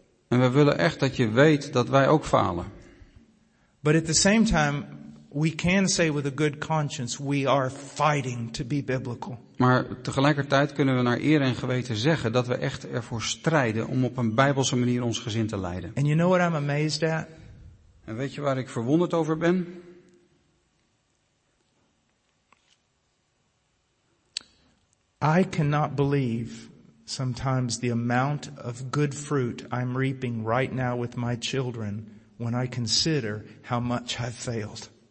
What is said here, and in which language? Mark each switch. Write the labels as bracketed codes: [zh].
[nl] En we willen echt dat je weet dat wij ook falen. [en] But at the same time, we can say with a good conscience, we are fighting to be biblical. [nl] Maar tegelijkertijd kunnen we naar eer en geweten zeggen dat we echt ervoor strijden om op een bijbelse manier ons gezin te leiden. [en] And you know what I'm amazed at? [nl] En weet je waar ik verwonderd over ben? [en] I cannot believe sometimes the amount of good fruit I'm reaping right now with my children when I consider how much I've failed.